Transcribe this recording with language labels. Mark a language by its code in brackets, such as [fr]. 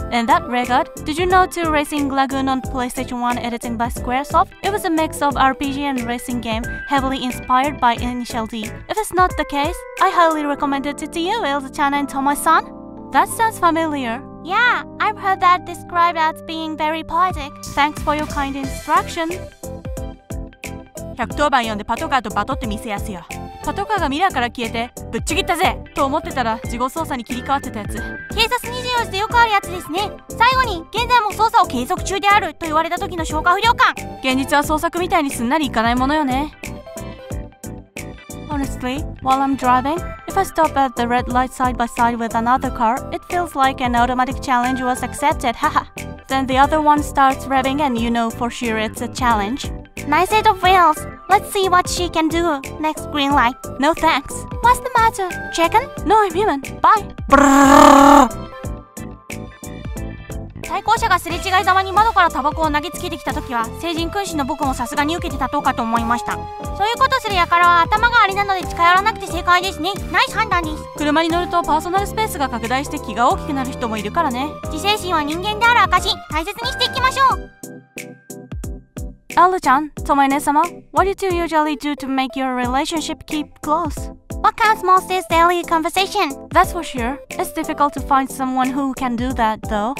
[en] In that regard, did you know two Racing Lagoon on PlayStation 1 editing by Squaresoft? It was a mix of RPG and racing game, heavily inspired by Initial D. If it's not the case, I highly recommend it to you, Elza-chan and Thomas-san. That sounds familiar. Yeah, I've heard that described as being very poetic. Thanks for your kind instruction. [ja] 110番読んでパトカーとバトって見せやすよ。パトカーがミラーから消えてぶっちぎったぜと思ってたら、事後捜査に切り替わってたやつ。警察24時でよくあるやつですね。最後に、現在も捜査を継続中であると言われた時の消化不良感。現実は捜索みたいにすんなりいかないものよね。 [en] Honestly, while I'm driving, if I stop at the red light side by side with another car, it feels like an automatic challenge was accepted, haha. Then the other one starts revving and you know for sure it's a challenge. Nice set of wheels. Let's see what she can do. Next green light. No thanks. What's the matter? Chicken? No, I'm human. Bye. [ja] 対向車がすれ違いざまに窓からタバコを投げつけてきたときは、聖人君子の僕もさすがに受けてたとうかと思いました。そういうことする輩は頭がありなので近寄らなくて正解ですね。ナイス判断です。車に乗るとパーソナルスペースが拡大して気が大きくなる人もいるからね。自制心は人間である証、大切にしていきましょう。 [en] Elza-chan, Tomoe-nesama, what do you usually do to make your relationship keep close? What counts most is daily conversation. That's for sure. It's difficult to find someone who can do that, though.